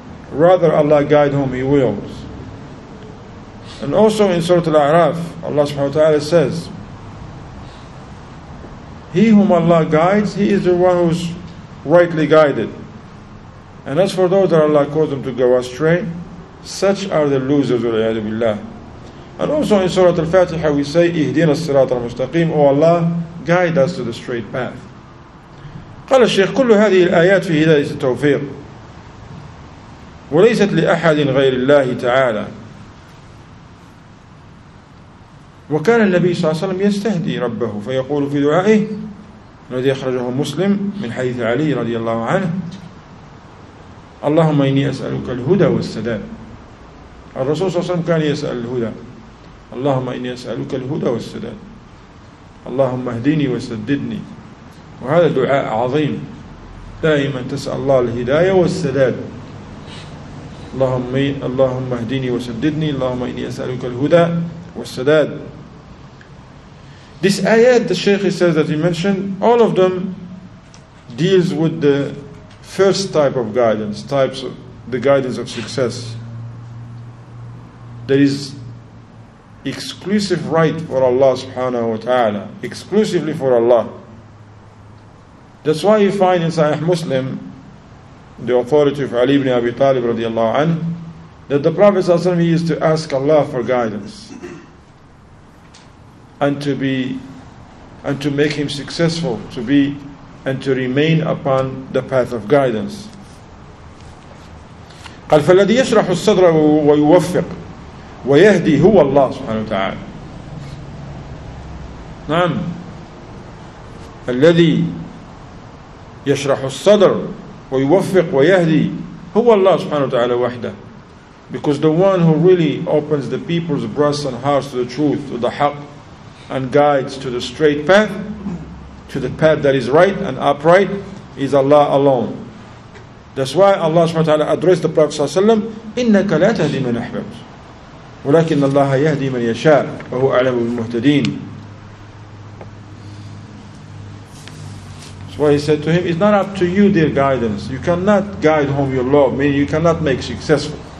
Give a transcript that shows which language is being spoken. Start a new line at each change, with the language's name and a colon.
English: Rather Allah guide whom He wills. And also in Surah Al-A'raf, Allah subhanahu wa ta'ala says, he whom Allah guides, he is the one who's rightly guided. And as for those that Allah caused them to go astray, such are the losers, wal-iyadu billah. And also in Surah Al-Fatiha we say,
Arabic: اِهْدِينَ الصِّرَاطَ الْمُسْتَقِيمِ
English: O Allah, guide us to the straight path.
Arabic: قال الشيخ كل هذه الآيات في هداية التوفيق وليست لأحد غير الله تعالى. وكان النبي صلى الله عليه وسلم يستهدي ربه فيقول في دعائه الذي أخرجه مسلم من حديث علي رضي الله عنه: اللهم إني أسألك الهدى والسداد. الرسول صلى الله عليه وسلم كان يسأل الهدى: اللهم إني أسألك الهدى والسداد، اللهم اهديني وسددني. وهذا دعاء عظيم، دائما تسأل الله الهداية والسداد. اللهم اهديني وسددني، اللهم إني أسألك الهدى والسداد.
English: This ayat, the Sheikh says that he mentioned, all of them deals with the first type of guidance, types of the guidance of success. There is exclusive right for Allah subhanahu wa ta'ala, exclusively for Allah. That's why you find in Sahih Muslim, the authority of Ali ibn Abi Talib radiallahu anh, that the Prophet ﷺ used to ask Allah for guidance and to make him successful, to be and to remain upon the path of guidance.
Arabic: قال فالذي يشرح الصدر ويوفق ويهدي هو الله سبحانه وتعالى. نعم. الذي يشرح الصدر ويوفق ويهدي هو الله سبحانه وتعالى وحده.
English: Because the one who really opens the people's breasts and hearts to the truth, to the haq, and guides to the straight path, to the path that is right and upright, is Allah alone. That's why Allah subhanahu wa ta'ala addressed the Prophet sallallahu alayhi wa sallam,
Arabic: إِنَّكَ لَا تَهْدِي مَنْ أَحْبَبْتُ وَلَكِنَّ اللَّهَ يَهْدِي مَنْ يَشَاءُ وَهُوَ أَعْلَمُ بِالْمُهْتَدِينَ.
English: So he said to him, it's not up to you, dear guidance. You cannot guide whom you love, meaning you cannot make successful.